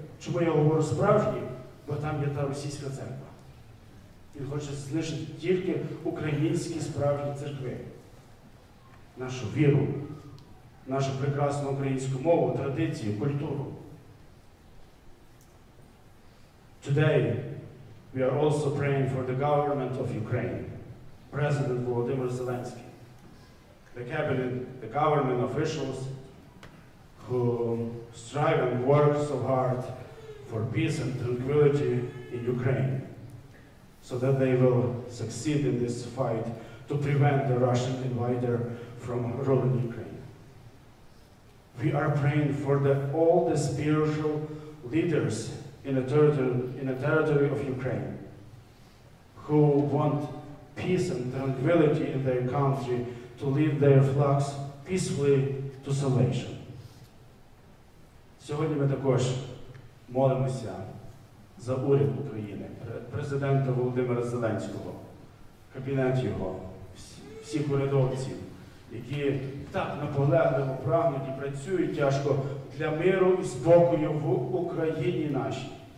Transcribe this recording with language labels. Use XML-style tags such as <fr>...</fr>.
<uk>Чому я говорю справжні? Бо там є та російська церква. Він хоче знищити тільки українські справжні церкви, нашу віру, нашу прекрасну українську мову, традиції, культуру.</uk> <en>Today we are also praying for the government of Ukraine, President Volodymyr Zelensky, the cabinet, the government officials who strive and work so hard for peace and tranquility in Ukraine, so that they will succeed in this fight to prevent the Russian invader from ruling Ukraine. We are praying for all the spiritual leaders in the territory of Ukraine who want peace and tranquility in their country to lead their flocks peacefully to salvation.</en> <uk>Сьогодні ми також молимося за уряд України, президента Володимира Зеленського, кабінет його, всіх урядовців, які так наполегливо прагнуть і працюють тяжко для миру і спокою в Україні нашій.</uk>